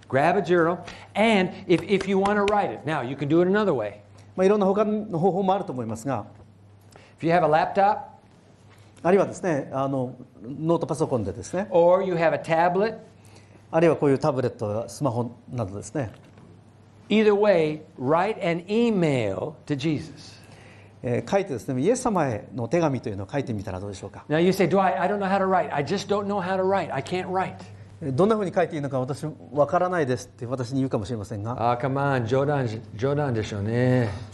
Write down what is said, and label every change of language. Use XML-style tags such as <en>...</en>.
<en>Grab a journal, and if you want to write it, now you can do it another way.</en> <ja>まあ、いろんな他の方法もあると思いますが、</ja> <en>If you have a laptop,</en> <ja>あるいはですね、ノートパソコンでですね、</ja> <en>Or you have a tablet.</en> <ja>あるいはこういうタブレット、スマホなどですね。</ja> <en>Either way, write an email to Jesus.</en> <ja>書いてですね、イエス様への手紙というのを書いてみたらどうでしょうか。</ja> <en>Now you say, Dwight, I don't know how to write. I just don't know how to write. I can't write.</en> <ja>どんなふうに書いていいのか私わからないですって私に言うかもしれませんが。</ja> <en>Ah, come on,</en> <ja>冗談でしょうね。</ja>